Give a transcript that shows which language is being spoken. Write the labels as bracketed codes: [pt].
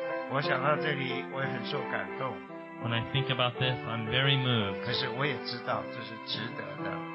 [zh] 我想到这里我也很受感动。 [en] When I think about this, I'm very moved. [zh] 可是我也知道这是值得的。